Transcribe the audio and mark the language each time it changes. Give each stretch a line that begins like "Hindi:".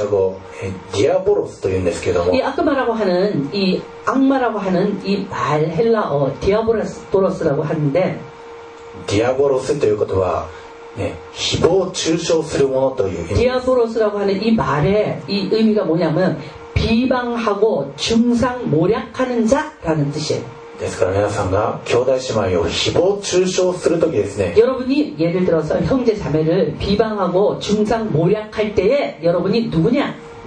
Japanese: 悪魔という言葉のギリシャ語ディアボロスというんですけども
Korean: 이 악마라고 하는 이 악마라고 하는 이 말 헬라어 디아보로스라고 하는데
Japanese: 디아보로스という言葉は誹謗中傷するものという意味
Korean: 디아보로스라고 하는 이 말의 이 의미가 뭐냐면 비방하고 중상 모략하는 자라는 뜻이에요.
Japanese: ですから皆さんが兄弟姉妹を誹謗中傷するときですね
Korean: 여러분이 예를 들어서 형제 자매를 비방하고 중상 모략할 때에 여러분이 누구냐?